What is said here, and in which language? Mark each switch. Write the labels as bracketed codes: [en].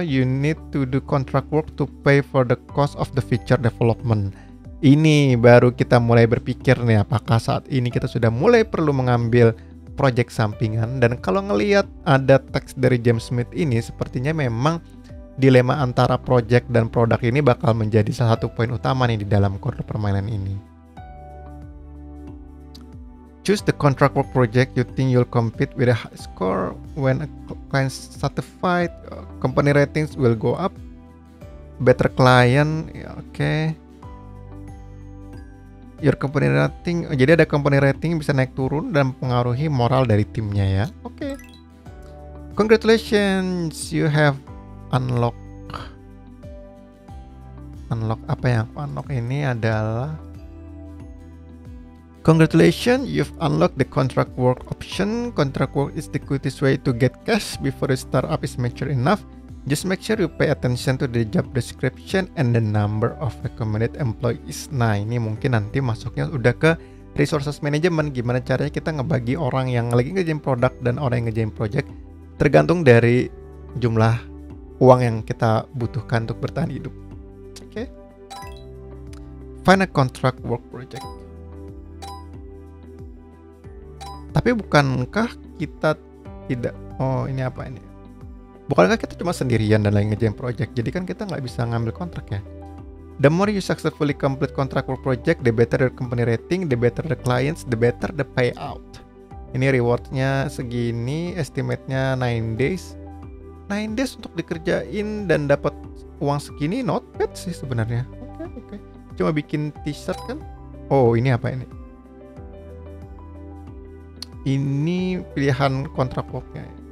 [en] You need to do contract work to pay for the cost of the feature development. [id] Ini baru kita mulai berpikir nih, apakah saat ini kita sudah mulai perlu mengambil project sampingan. Dan kalau ngelihat ada teks dari James Smith ini, sepertinya memang dilema antara project dan produk ini bakal menjadi salah satu poin utama nih di dalam core permainan ini. [en] Choose the contract work project you think you'll compete with a high score. When a client's satisfied, company ratings will go up. Better client, okay. Your company rating, [id] jadi ada company rating bisa naik turun dan mempengaruhi moral dari timnya ya. [en] Okay. Congratulations, you have unlock [id] apa yang aku unlock ini adalah. [en] Congratulations, you've unlocked the contract work option. Contract work is the quickest way to get cash before the startup is mature enough. Just make sure you pay attention to the job description and the number of recommended employees. [id] Nah, ini mungkin nanti masuknya udah ke resources management. Gimana caranya kita ngebagi orang yang lagi ngerjain produk dan orang yang ngerjain project tergantung dari jumlah uang yang kita butuhkan untuk bertahan hidup. Oke. Find a contract work project. Tapi bukankah kita tidak, bukankah kita cuma sendirian dan lagi ngejain project, jadi kan kita nggak bisa ngambil kontrak ya. [en] The more you successfully complete contract work project, the better your company rating, the better the clients, the better the payout. [id] Ini rewardnya segini, estimate-nya 9 days. 9 days untuk dikerjain dan dapat uang segini, [en] not bad [id] sih sebenarnya. Oke. Cuma bikin t-shirt kan? Ini pilihan kontrak worknya.